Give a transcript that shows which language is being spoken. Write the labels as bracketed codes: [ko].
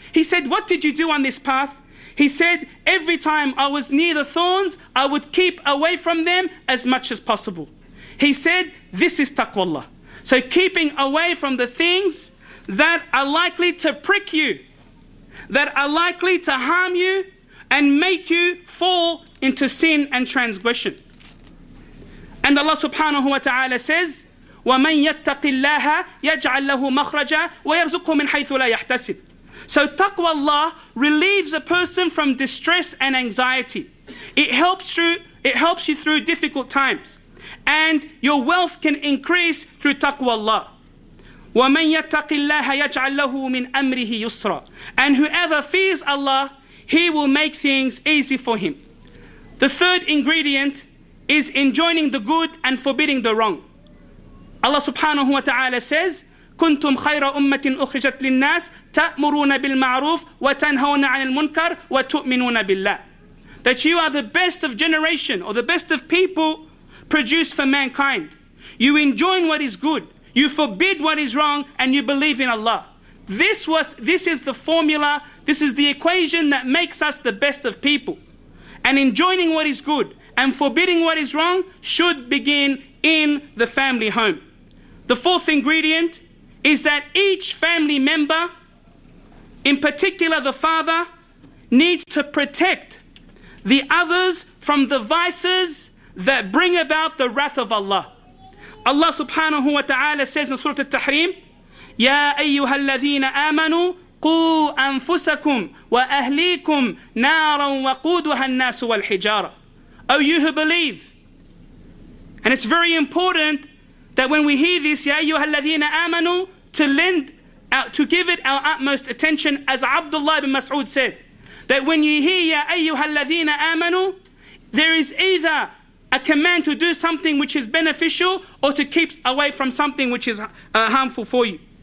[en] He said, what did you do on this path? He said, every time I was near the thorns, I would keep away from them as much as possible. He said, this is taqwallah. So keeping away from the things that are likely to prick you, that are likely to harm you and make you fall into sin and transgression. And Allah subhanahu wa ta'ala says, [ar] وَمَنْ يَتَّقِ اللَّهَ يَجْعَلْ لَهُ مَخْرَجًا وَيَرْزُقُهُ مِنْ حَيْثُ لَا يَحْتَسِبُ. [en] So taqwa Allah relieves a person from distress and anxiety. It helps you through difficult times. And your wealth can increase through taqwa Allah. [ar] وَمَنْ يَتَّقِ اللَّهَ يَجْعَلْ لَهُ مِنْ أَمْرِهِ يُسْرًا. [en] And whoever fears Allah, he will make things easy for him. The third ingredient is enjoining the good and forbidding the wrong. Allah subhanahu wa ta'ala says, [ar] كُنْتُمْ خَيْرَ أُمَّةٍ أُخْرِجَتْ لِلنَّاسِ تَأْمُرُونَ بِالْمَعْرُوفِ وَتَنْهَوْنَ عَنِ الْمُنْكَرِ وَتُؤْمِنُونَ بِاللَّهِ. [en] That you are the best of generation or the best of people produced for mankind. You enjoin what is good. You forbid what is wrong and you believe in Allah. This is the formula, this is the equation that makes us the best of people. And enjoining what is good and forbidding what is wrong should begin in the family home. The fourth ingredient is that each family member, in particular the father, needs to protect the others from the vices that bring about the wrath of Allah. Allah subhanahu wa ta'ala says in Surah Al-Tahrim, [ar] يَا أَيُّهَا الَّذِينَ آمَنُوا قُوا أَنفُسَكُمْ وَأَهْلِيكُمْ نَارًا وَقُودُهَا النَّاسُ وَالْحِجَارَةُ. [en] O you who believe. And it's very important that when we hear this, [ar] يَا أَيُّهَا الَّذِينَ آمَنُوا, [en] to give it our utmost attention, as Abdullah ibn Mas'ud said, that when you hear يَا أَيُّهَا الَّذِينَ آمَنُوا, there is either a command to do something which is beneficial or to keep away from something which is harmful for you.